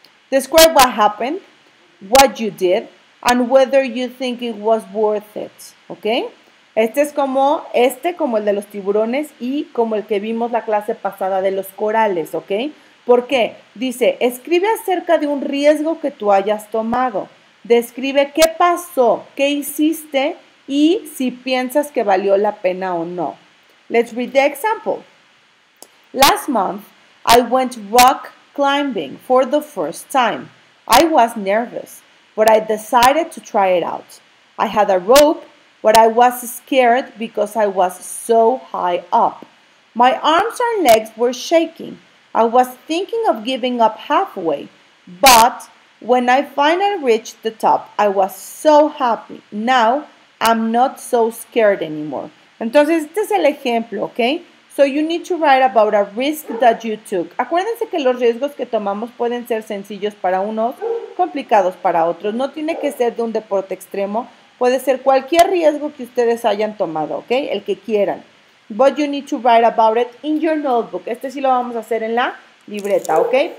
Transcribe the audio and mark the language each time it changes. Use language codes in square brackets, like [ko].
[en] Describe what happened, what you did, and whether you think it was worth it. Okay? [es] Este es como el de los tiburones y como el que vimos la clase pasada de los corales. Okay? ¿Por qué? Dice, escribe acerca de un riesgo que tú hayas tomado. Describe qué pasó, qué hiciste y si piensas que valió la pena o no. [en] Let's read the example. Last month, I went rock climbing for the first time. I was nervous, but I decided to try it out. I had a rope, but I was scared because I was so high up. My arms and legs were shaking. I was thinking of giving up halfway, but when I finally reached the top, I was so happy. Now, I'm not so scared anymore. [es] Entonces, este es el ejemplo, [en] okay? So you need to write about a risk that you took. [es] Acuérdense que los riesgos que tomamos pueden ser sencillos para unos, complicados para otros. No tiene que ser de un deporte extremo. Puede ser cualquier riesgo que ustedes hayan tomado, ¿ok? El que quieran. [en] But you need to write about it in your notebook. [es] Este sí lo vamos a hacer en la libreta, ¿ok?